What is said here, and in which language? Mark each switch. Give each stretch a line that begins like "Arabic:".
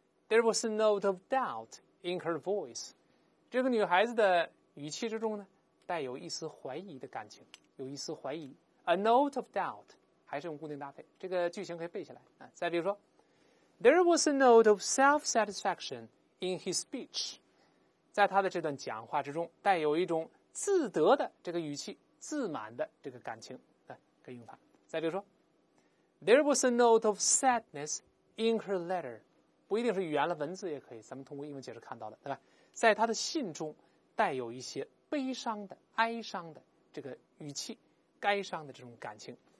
English: There was a note of doubt in her voice.
Chinese: 这个女孩子的语气之中呢带有一丝怀疑的感情，有一丝怀疑。
English: A note of doubt，
Chinese: 还是用固定搭配，这个句型可以背下来。再比如说。
English: There was a note of self-satisfaction in his speech.
Chinese: 在他的这段讲话之中带有一种自得的这个语气，自满的这个感情。用法，再比如说 ，
English: There was a note of sadness in her letter，
Chinese: 不一定是语言了，文字也可以，咱们通过英文解释看到的，对吧？在他的信中带有一些悲伤的、哀伤的这个语气，哀伤的这种感情。